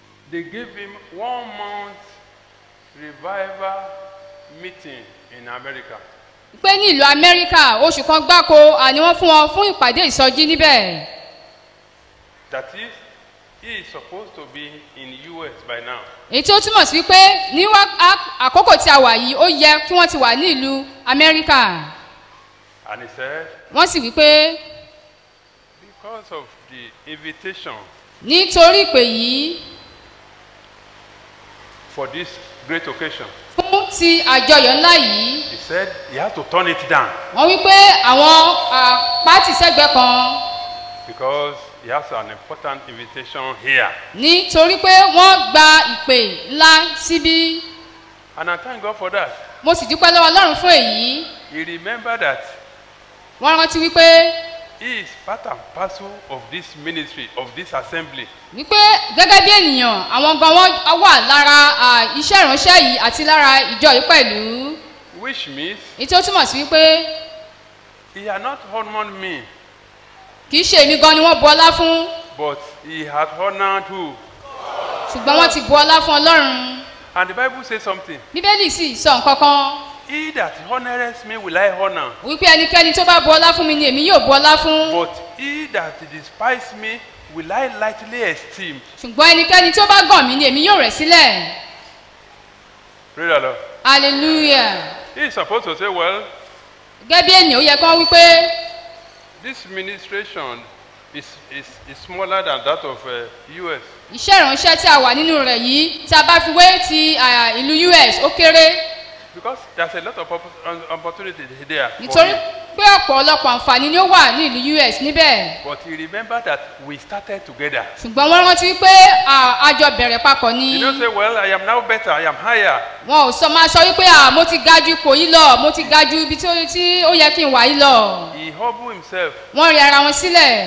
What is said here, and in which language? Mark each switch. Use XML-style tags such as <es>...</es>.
<en>They gave him 1 month revival meeting in America.</en> <yo>Pé ní ìlú Amẹ́ríkà oṣù kan gbáko àní wọ́n fún wọn fún ìpàdé ìsọjí níbẹ̀.</yo> <en>That is. He is supposed to be in the US by now.</en> <yo>Èyí tí ó túmọ̀ sí pé ní àkókò tí a wà yìí ó yẹ kí wọ́n ti wà ní ìlú Amẹ́ríkà.</yo> <en>And he said.</en> <yo>Wọ́n sì wípé.</yo> <en>Because of the invitation.</en> <yo>Nítorí ìpè yìí.</yo> <en>For this great occasion.</en> <yo>Fún ti àjọyọ̀ ńlá yìí.</yo> <en>He said he had to turn it down.</en> <yo>Wọ́n wípé àwọn pátì sẹ́gbẹ́ kan.</yo> <en>Because. He has an important invitation here.</en> <yo>Nítorí pé wọ́n gba ìpè ńlá síbí.</yo> <en>And I thank God for that.</en> <yo>Mo sì dúpẹ́ lọ́wọ́ Ọlọ́run fún èyí.</yo> <en>He remembered that.</en> <yo>Wọ́n rántí wípé.</yo> <en>He is part and parcel of this ministry, of this assembly.</en> <yo>Wípé gẹ́gẹ́ bí ènìyàn, àwọn gan wọn wà lára iṣẹ́ ìránṣẹ́ yìí àti lára ìjọ yìí pẹ̀lú.</yo> <en>Which means.</en> <yo>Èyí tó túmọ̀ sí wípé.</yo> <en>He had not honored me.</en> <yo>Kì í ṣe èmi gan ni wọ́n bu ọlá fún.</yo> <en>But he had honored who?</en> <yo>Ṣùgbọ́n wọ́n ti bu ọlá fún Ọlọ́run.</yo> <en>And the Bible says something.</en> <yo>Bíbélì sì sọ nǹkan kan.</yo> <en>He that honoreth me will I honor.</en> <yo>Wípé ẹnikẹ́ni tó bá bu ọlá fún mi ni èmi yóò bu ọlá fún.</yo> <en>But he that despise me will I lightly esteem.</en> <yo>Ṣùgbọ́n ẹnikẹ́ni tó bá gàn mí ni èmi yóò rẹ̀ sílẹ̀.</yo> <en>Praise the Lord. Hallelujah. He is supposed to say well.</en> <yo>Gẹ́gẹ́ bí ènìyàn ó yẹ kán wípé.</yo> <en>This ministration is smaller than that of US.</en> <yo>Iṣẹ́ ìránṣẹ́ tí a wà nínú rẹ̀ yìí tí a bá fi wé ti ìlú US ó kéré.</yo> <en>because there's a lot of opportunities there.</en> <yo>Nítorí pé ọ̀pọ̀ ọlọ́pọ̀ àǹfààní ni ó wà ní ìlú US níbẹ̀.</yo> <en>But you remember that we started together.</en> <yo>Ṣùgbọ́n wọ́n rántí pé a jọ bẹ̀rẹ̀ papọ̀ ni.</yo> <en>You don't say, well, I am now better, I am higher.</en> <yo>Wọn ò sọ máa sọ wípé mo ti ga ju ipò yìí lọ, mo ti ga ju ibi tí ó yẹ kí n wà yìí lọ.</yo> <en>He humbled himself.</en> <yo>Wọ́n rí ara wọn sílẹ̀.</yo>